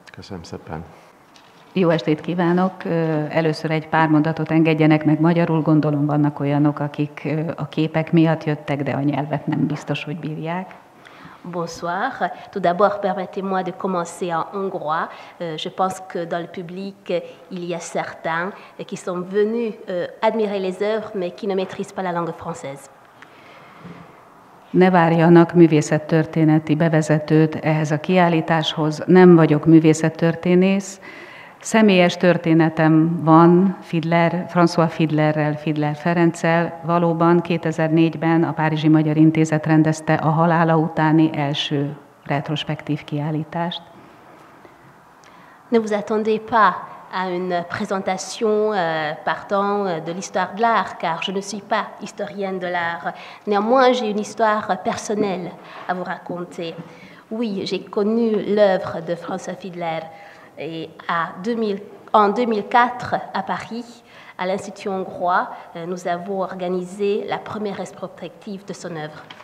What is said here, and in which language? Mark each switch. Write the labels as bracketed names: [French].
[Hungarian] Köszönöm szépen! Jó estét kívánok! Először egy pár mondatot engedjenek meg magyarul. Gondolom vannak olyanok, akik a képek miatt jöttek, de a nyelvet nem biztos, hogy bírják. [French] Bonsoir. Tout d'abord, permettez-moi de commencer en hongrois. Je pense que dans le public, il y a certains qui sont venus admirer les œuvres, mais qui ne maîtrisent pas la langue française. [Hungarian] Ne várjanak művészettörténeti bevezetőt ehhez a kiállításhoz. Nem vagyok művészettörténész. Személyes történetem van Fiedler, François Fiedlerrel, Fiedler Ferenccel. Valóban 2004-ben a Párizsi Magyar Intézet rendezte a halála utáni első retrospektív kiállítást. [French] Ne vous attendez pas à une présentation partant de l'histoire de l'art, car je ne suis pas historienne de l'art. Néanmoins, j'ai une histoire personnelle à vous raconter. Oui, j'ai connu l'œuvre de François Fiedler. Et en 2004, à Paris, à l'Institut hongrois, nous avons organisé la première rétrospective de son œuvre.